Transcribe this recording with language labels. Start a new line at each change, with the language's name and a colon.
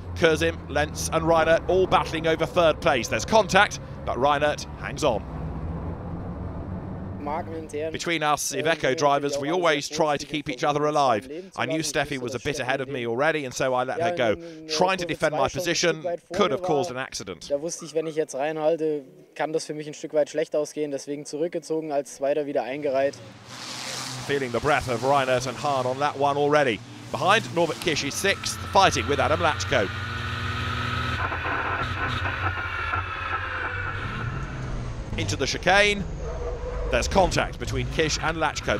English: Kurzim, Lenz and Reinert all battling over third place. There's contact, but Reinert hangs on. Between us Iveco drivers, we always try to keep each other alive. I knew Steffi was a bit ahead of me already, and so I let her go. Trying to defend my position could have caused an accident.
German: Da wusste ich, wenn ich jetzt reinhalte, kann das für mich ein Stück weit schlecht ausgehen. Deswegen zurückgezogen, als Zweiter wieder eingereiht.
English: Feeling the breath of Reinert and Hahn on that one already. Behind, Norbert Kisch is sixth, fighting with Adam Latchko. Into the chicane. There's contact between Kisch and Latchko.